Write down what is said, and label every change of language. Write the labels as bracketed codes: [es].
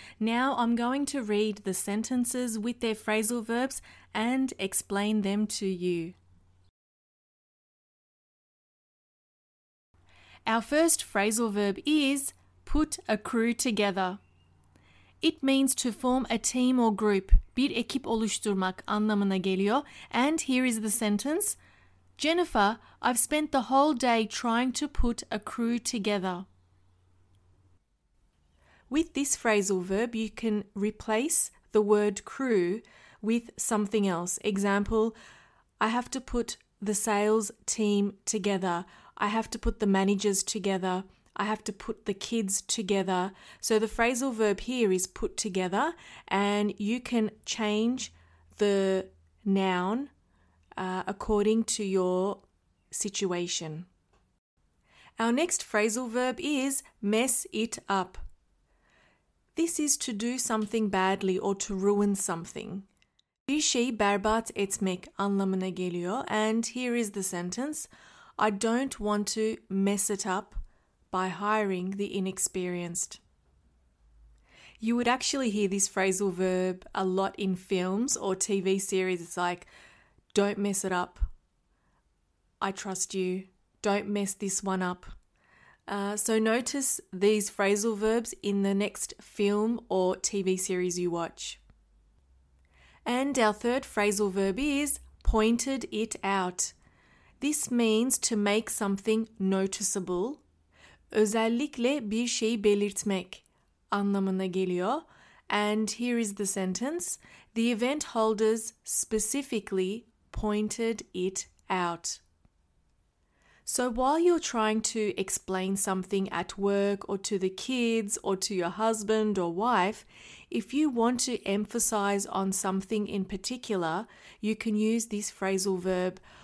[en] Now I'm going to read the sentences with their phrasal verbs and explain them to you. Our first phrasal verb is put a crew together. It means to form a team or group. [tr] Bir ekip oluşturmak anlamına geliyor. [en] And here is the sentence. Jennifer, I've spent the whole day trying to put a crew together. With this phrasal verb, you can replace the word crew with something else. Example, I have to put the sales team together. I have to put the managers together. I have to put the kids together. So the phrasal verb here is put together, and you can change the noun according to your situation. Our next phrasal verb is mess it up. This is to do something badly or to ruin something. [tr] Bir şey berbat etmek anlamına geliyor. [en] And here is the sentence. I don't want to mess it up by hiring the inexperienced. You would actually hear this phrasal verb a lot in films or TV series. It's like, don't mess it up. I trust you. Don't mess this one up. So notice these phrasal verbs in the next film or TV series you watch. And our third phrasal verb is pointed it out. This means to make something noticeable. [tr] Özellikle bir şey belirtmek anlamına geliyor. [en] And here is the sentence. The event holders specifically pointed it out. So while you're trying to explain something at work or to the kids or to your husband or wife, if you want to emphasize on something in particular, you can use this phrasal verb.